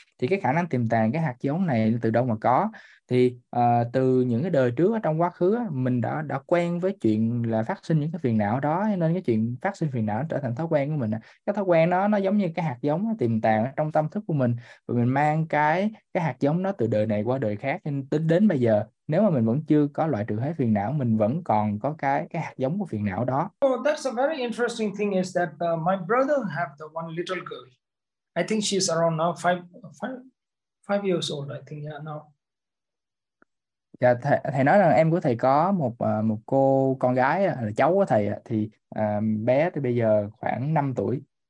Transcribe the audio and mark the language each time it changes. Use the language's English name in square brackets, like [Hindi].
[Vietnamese] Thì cái khả năng tiềm tàng cái hạt giống này từ đâu mà có? Thì từ những cái đời trước ở trong quá khứ mình đã quen với chuyện là phát sinh những cái phiền não đó, nên cái chuyện phát sinh phiền não trở thành thói quen của mình. Cái thói quen đó nó giống như cái hạt giống tiềm tàng trong tâm thức của mình, và mình mang cái hạt giống đó từ đời này qua đời khác, nên tính đến bây giờ nếu mà mình vẫn chưa có loại trừ hết phiền não, mình vẫn còn có cái hạt giống của phiền não đó. [English] So that's a very interesting thing is that my brother have the one little girl. I think she's around now five years old, I think, yeah, now. [Vietnamese] Dạ, thầy nói rằng em của thầy có một một cô con gái là cháu của thầy, thì bé thì bây giờ khoảng 5 tuổi.